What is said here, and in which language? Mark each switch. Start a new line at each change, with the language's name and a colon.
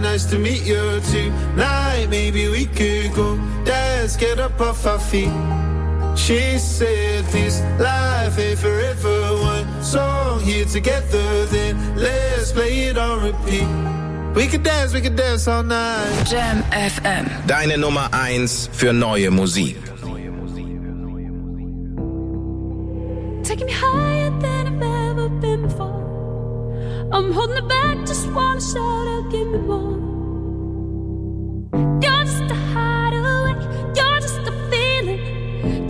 English: To meet you tonight, maybe we could go dance, get up off our feet. She said, this life ain't forever, one song here together, then let's play it on repeat. We could dance all night. Jam FM.
German: Deine Nummer 1 für neue Musik.
English: Taking me higher than I've ever been before. I'm holding it back, just wanna shout out, give me more. You're just a hideaway, you're just a feeling.